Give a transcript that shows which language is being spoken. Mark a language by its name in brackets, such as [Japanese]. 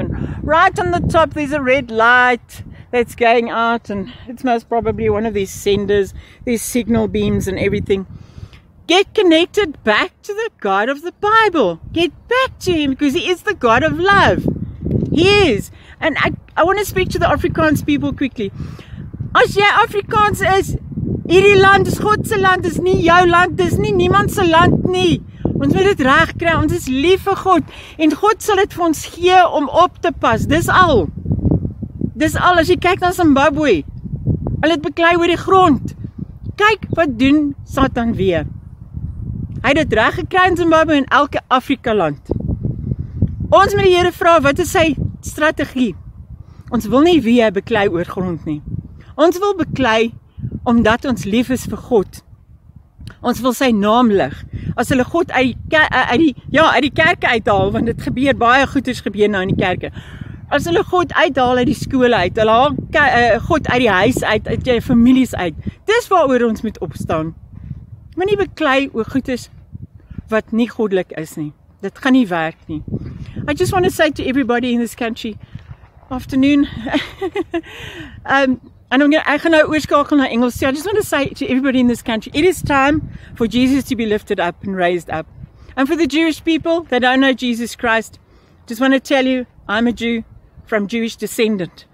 [English] And right on the top, there's a red light that's going out, and it's most probably one of these senders, these signal beams and everything. Get connected back to the God of the Bible. Get back to him, because he is the God of love. He is. And I want to speak to the Afrikaans people quickly. [Afrikaans] As jy Afrikaans is, hierdie land is God se land, is nie jou land, is nie niemand se land nie. Ons moet dit reg kry, ons is lief vir God en God sal dit vir ons gee om op te pas. Dis al. Dis al, as jy kyk na Zimbabwe, hulle het beklei oor die grond. Kyk wat doen Satan weer. Hy het dit reg gekry in Zimbabwe en elke Afrika land. Ons moet die Here vra, wat is sy strategie? Ons wil nie weer beklei oor grond nie. Ons wil beklei omdat ons lief is vir God. Ons wil sy naam lig. As hulle God uit die kerke uithaal, want dit gebeur, baie goeders gebeur nou in die kerke. As hulle God uithaal uit die skole uit, hulle haal God uit die huis uit, uit jou families uit. Dis waaroor ons moet opstaan. Moet nie beklei oor goeders wat nie goddelik is nie. Dit gaan nie werk nie. [English] I just want to say to everybody in this country, afternoon, and I'm going to [Afrikaans] oorskakel na Engels. [English] I just want to say to everybody in this country, it is time for Jesus to be lifted up and raised up. And for the Jewish people that don't know Jesus Christ, just want to tell you, I'm a Jew from Jewish descendant.